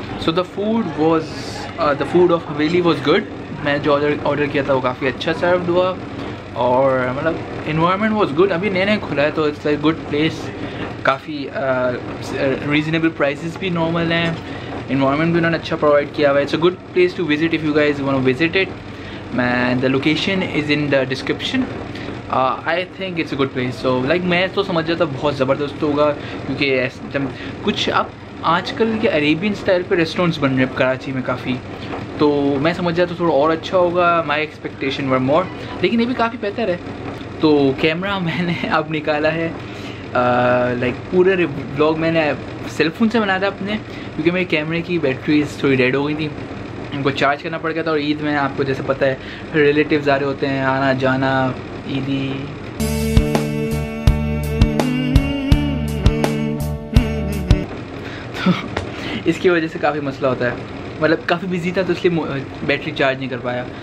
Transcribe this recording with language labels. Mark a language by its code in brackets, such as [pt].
[en] so the food was the food of Haveli was good, [ur] میں جو order کیا تھا وہ کافی اچھا سرو ہوا, اور مطلب انوائرمنٹ واز گڈ, ابھی نئے نئے کھلا ہے تو [en] it's a good place, [ur] coffee reasonable prices بھی نارمل ہیں, انوائرمنٹ بھی انہوں نے اچھا پرووائڈ کیا ہوا ہے. [en] It's a good place to visit if you guys want to visit it, the location is in the description, I think it's a good place. [ur] So like میں تو سمجھ جاتا بہت زبردست ہوگا, کیونکہ ایسا کچھ اب آج کل کے عربین اسٹائل پہ ریسٹورینٹس بن رہے ہیں کراچی میں کافی, تو میں سمجھ جاتا تھوڑا اور اچھا ہوگا, [en] my expectation were more, [ur] لیکن یہ بھی کافی بہتر ہے. تو کیمرہ میں نے اب نکالا ہے, لائک پورے بلاگ میں نے سیل فون سے بنایا تھا اپنے, کیونکہ میرے کیمرے کی بیٹریز تھوڑی ڈیڈ ہو گئی تھی, ان کو چارج کرنا پڑ گیا تھا, اور عید میں آپ کو جیسے پتہ ہے ریلیٹیوز آ رہے ہوتے ہیں آنا جانا عیدی, تو اس کی وجہ سے کافی مسئلہ ہوتا ہے, مطلب کافی بزی تھا تو اس لیے بیٹری چارج نہیں کر پایا.